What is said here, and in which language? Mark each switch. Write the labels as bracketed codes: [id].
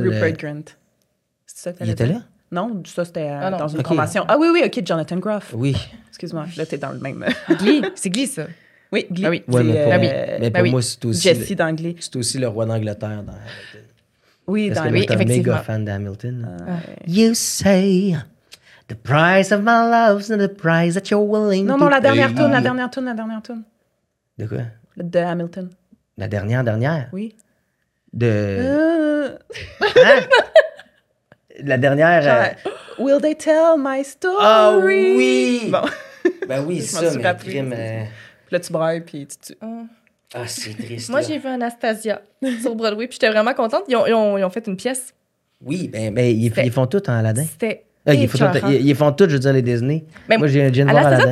[fr] Rupert Grint. C'est ça que il était là? Non, ça, c'était dans une convention. Ah oui, Jonathan Groff. Oui. Excuse-moi, là, t'es dans le même... C'est Glee, ça. Oui, Glee. Ah oui. Mais pour moi, c'est aussi... Jesse d'Anglais. C'est aussi le roi d'Angleterre dans Hamilton. Oui, dans Hamilton. Parce que je suis un méga fan d'Hamilton. [en] You say the price of my love's not the price that you're willing to pay. [fr] Non, la dernière tune. De quoi? De Hamilton. La dernière? Oui. De... La dernière... Genre, [en] Will they tell my story? [fr] Ah oui! Bon. Ben oui, ça, mais crime... Là, tu brailles, puis tu tues. Ah, c'est triste. Moi, j'ai vu Anastasia sur Broadway, puis j'étais vraiment contente. Ils ont fait une pièce. Oui, ben ils font tout en Aladdin. C'était ils font tout, je veux dire, les Disney. Ben, moi, j'ai un Jean voir Aladdin.